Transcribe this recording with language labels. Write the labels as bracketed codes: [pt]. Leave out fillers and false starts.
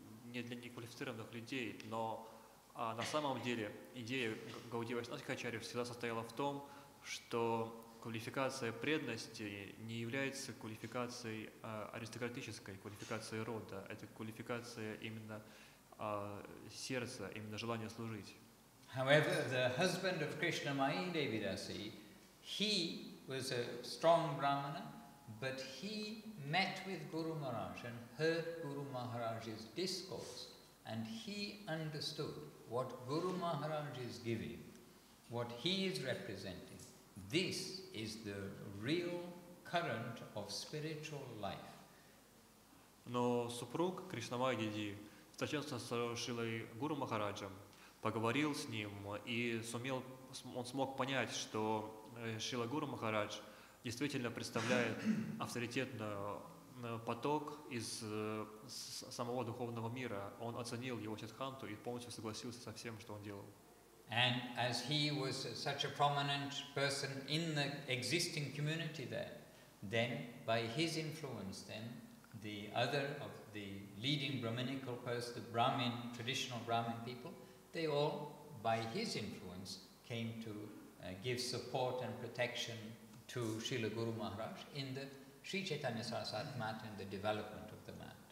[ru] неквалифицированных людей, но на самом деле идея Гауди Вайшнавских Ачарьев всегда состояла в том, что квалификация преданности не является квалификацией аристократической, квалификацией рода, это квалификация именно сердца, именно желания служить. [en] However, the husband of Krishnamayi Devidasi, he was a strong brahmana, but he met with Guru Maharaj and heard Guru Maharaj's discourse, and he understood what Guru Maharaj is giving, what he is representing. This is the real current of spiritual life. [ru] Но супруг Кришнамайи Диди встретился с Шрилой Гуру Махараджем, поговорил с ним и смог понять, что Шрила Гуру Махарадж действительно представляет авторитетный поток из самого духовного мира. Он оценил его сиддханту и полностью согласился со всем, что он делал. [en] And as he was such a prominent person in the existing community there, then by his influence, then the other of the leading Brahminical person, the Brahmin, traditional Brahmin people, they all, by his influence, came to give support and protection to Srila Guru Maharaj in the Sri Chaitanya Sarasat Mat and the development of the mat.